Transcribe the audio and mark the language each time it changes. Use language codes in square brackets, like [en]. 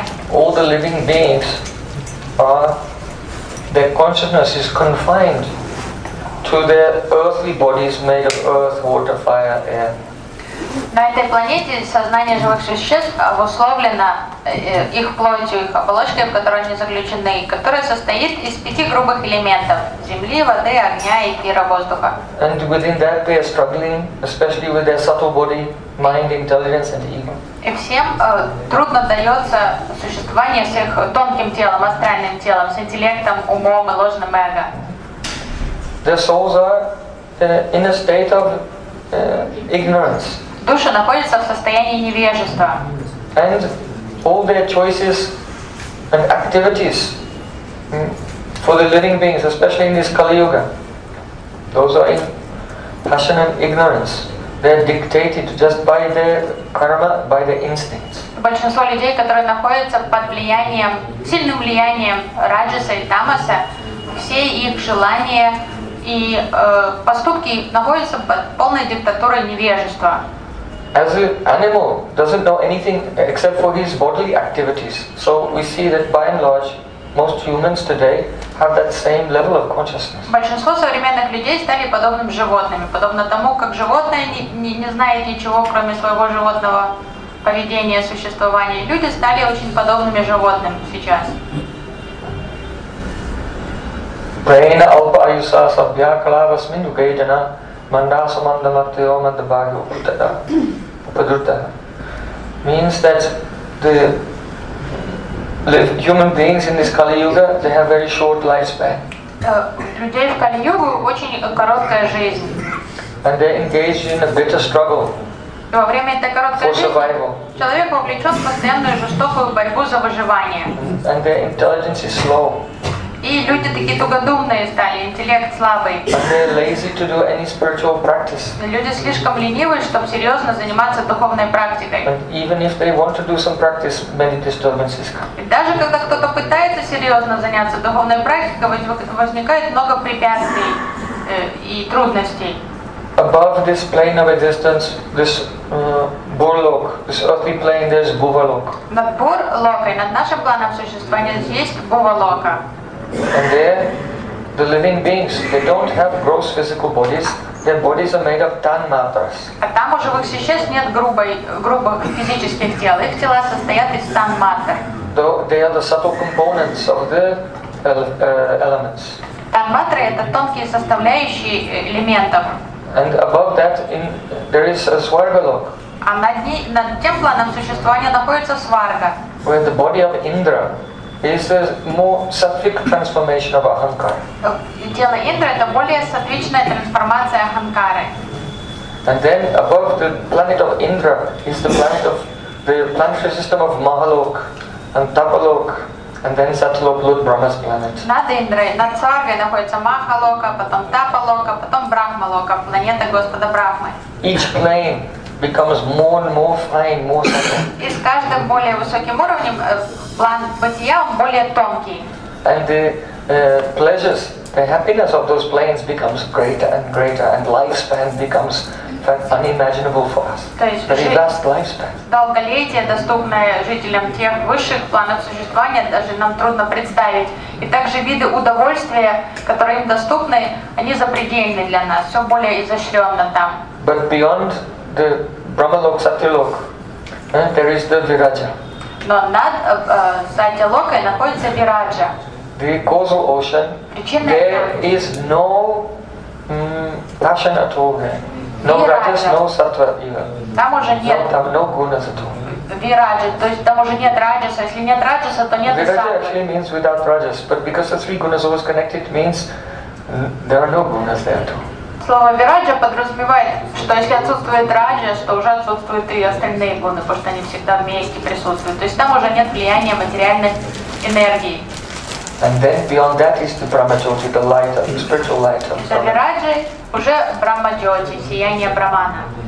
[en] All the living beings are, their consciousness is confined to their earthly bodies made of earth, water, fire, air. [ru] На этой планете сознание живых существ обусловлено их плотью, их оболочкой, в которой они заключены, которая состоит из пяти грубых элементов – земли, воды, огня, эфира, воздуха. [en] And within that they are struggling, especially with their subtle body, mind, intelligence, and ego. [ru] И всем трудно дается существование всех тонким телом, астральным телом, с интеллектом, умом и ложным эго. [en] The souls are in a state of ignorance. [ru] Души находятся в состоянии невежества. [en] And all their choices and activities for the living beings, especially in this Kali Yuga, those are in passion and ignorance. They're dictated just by their karma, by their instincts. [ru] Большинство людей, которые находятся под влиянием, сильным влиянием раджаса и тамаса, все их желания и поступки находятся под полной диктатурой невежества. [en] As an animal doesn't know anything except for his bodily activities. So we see that by and large, most humans today have that same level of consciousness. [ru] Большинство современных людей стали подобными животными, подобно тому, как животное не знает ничего, кроме своего животного поведения, существования. Люди стали очень подобными животным сейчас. [sa] Prena alpa ayusa sabhya kalava smindu gejana mandasa mandamatyo madhavagya upadrutta. [en] Upadrutta means that the human beings in this Kali Yuga, they have very short lifespan. [ru] Людей в Кали Югу очень короткая жизнь. [en] And they're engaged in a bitter struggle. [ru] Во время этой короткой жизни человек вовлечен в постоянную жестокую борьбу за выживание. [en] And their intelligence is slow. [ru] И люди такие тугодумные стали, интеллект слабый. [en] And they're lazy to do any spiritual practice. [ru] Люди слишком ленивы, чтобы серьезно заниматься духовной практикой. [en] And even if they want to do some practice, many disturbances come. [ru] И даже когда кто-то пытается серьезно заняться духовной практикой, возникает много препятствий и трудностей. [en] Above this plane of existence, this Burlok, this earthly plane, there's Buvalok. [ru] Над Бурлокой, над нашим планом существования есть Бувалока. [en] And there, the living beings, they don't have gross physical bodies. Their bodies are made of tan matras. [ru] А там у живых существ нет грубых физических тел. Их тела состоят из tan matras. [en] They are the subtle components of the elements. [ru] Tan matras — это тонкие составляющие элементов. [en] And above that, there is a Swargalok. [ru] А над тем планом существования находится Сварга. [en] Where the body of Indra is a more sattvic transformation of ahankara. [ru] Тело Индры — это более сатвичная трансформация аханкары. [en] And then above the planet of Indra is the planet of the planetary system of Mahalok and Tapalok, and then Satalok, Lord Brahma's planet. [ru] Над Индрой, над Сваргой находится Махалока, потом Тапалока, потом Брахмалока, планета Господа Брахмы. [en] Each plane becomes more and more fine, more subtle. [ru] И с каждым более высоким уровнем план бытия более тонкий. [en] And the pleasures, the happiness of those planes becomes greater and greater, and lifespan becomes unimaginable for us. [ru] То есть [en] last lifespan. [ru] Долголетие, доступное жителям тех высших планов существования, даже нам трудно представить. И также виды удовольствия, которые им доступны, они запредельны для нас. Все более изощренно там. [en] But beyond the Brahmalok, Satyalok, and there is the Viraja. [ru] Но над Сатьялокой находится Вираджа. [en] The causal ocean. [ru] Причина [en] there это... is no passion at all there. No rajas, no sattva either. [ru] Там уже нет. Там [en] no gunas at all. [ru] Вираджа, то есть там уже нет раджаса. Если нет раджаса, то нет Viraja и сатвы. [en] Viraja actually means without rajas, but because the three gunas always connected means there are no gunas there too. [ru] Слово «вираджа» подразумевает, что если отсутствует раджа, то уже отсутствуют три остальные гуны, потому что они всегда вместе присутствуют. То есть там уже нет влияния материальных энергий. [en] And then beyond that is the Brahma-jyoti, the light, the spiritual light of Brahma. [ru] За вираджа уже Брахма-джоти, сияние Брахмана.